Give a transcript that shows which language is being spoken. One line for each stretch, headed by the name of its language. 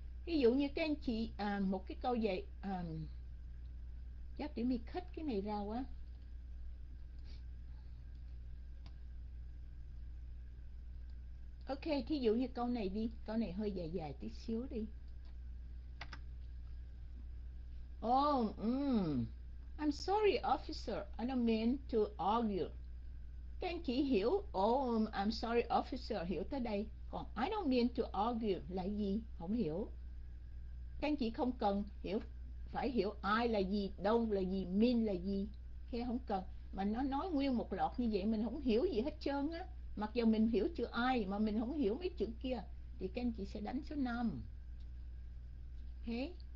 Vietnamese: Ví dụ như các anh chị một cái câu dài, chắc để mình cut cái này ra quá. Ok, thí dụ như câu này đi, câu này hơi dài dài tí xíu đi.
English: I'm sorry officer, I don't mean to argue.
Vietnamese: Các anh chị hiểu
English: I'm sorry officer,
Vietnamese: hiểu tới đây. Còn
English: I don't mean to argue
Vietnamese: là gì, không hiểu. Các anh chị không cần hiểu, phải hiểu I là gì, don't là gì, mean là gì, okay, không cần. Mà nó nói nguyên một loạt như vậy mình không hiểu gì hết trơn á. Mặc dù mình hiểu chữ I mà mình không hiểu mấy chữ kia, thì các anh chị sẽ đánh số 5. Thế okay.